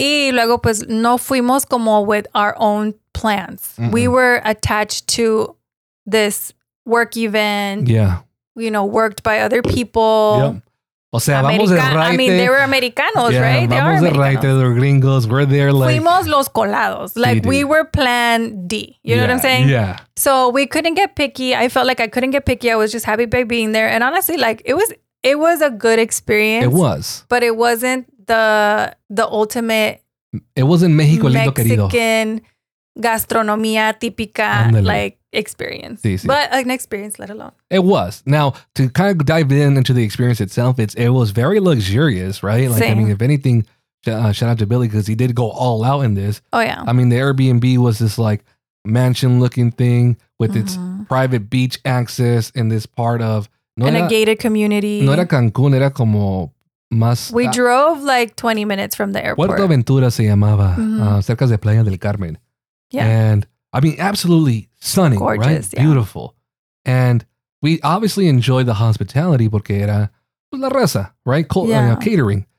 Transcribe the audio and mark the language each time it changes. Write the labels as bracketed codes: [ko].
[es] Y luego pues no fuimos como [en] with our own plans. Mm-mm. We were attached to this work event. Yeah. You know, worked by other people. [es] Yep. O sea, vamos de raite. [en] I mean, they were Americanos, yeah, right? They [es] vamos de raite, [en] they were gringos. We're there like... [es] Fuimos los colados. [en] Like, we were plan D. You know what I'm saying? Yeah. So we couldn't get picky. I felt like I couldn't get picky. I was just happy by being there. And honestly, like, it was a good experience. It was. But it wasn't the ultimate... It wasn't Mexico [es] lindo querido. [en] Mexican gastronomía típica. [es] Andale. [en] Like... experience. [es] Sí, sí. [en] But an experience, let alone. It was. Now, to kind of dive in into the experience itself, it was very luxurious, right? Like, same. I mean, if anything, shout out to Billy because he did go all out in this. Oh, yeah. I mean, the Airbnb was this like mansion looking thing with its private beach access in this part of a gated community. [es] No era Cancun, era como más. [en] We drove like 20 minutes from the airport. [es] Puerto Ventura se llamaba, cerca de Playa del Carmen. [en] Yeah. And I mean, absolutely stunning, gorgeous, right? Yeah. Beautiful. And we obviously enjoyed the hospitality [es] porque era la raza, [en] right? Catering.